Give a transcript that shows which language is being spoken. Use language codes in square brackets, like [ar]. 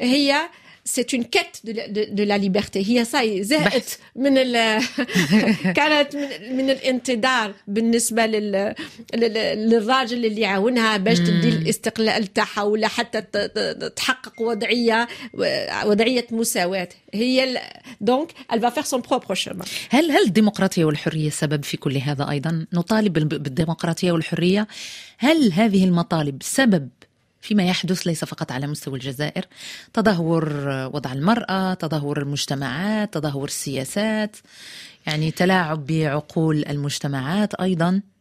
[fr] هي c'est une quête de la liberté. [ar] هي ساي زهقت من ال كانت من الانتظار بالنسبة للراجل اللي يعاونها باش تدي الاستقلال تاعها ولا حتى تحقق وضعية مساواة. [fr] هي دونك elle va faire son propre chemin. [ar] هل الديمقراطية والحرية سبب في كل هذا أيضا؟ نطالب بالديمقراطية والحرية، هل هذه المطالب سبب فيما يحدث ليس فقط على مستوى الجزائر؟ تدهور وضع المرأة، تدهور المجتمعات، تدهور السياسات، يعني تلاعب بعقول المجتمعات أيضا.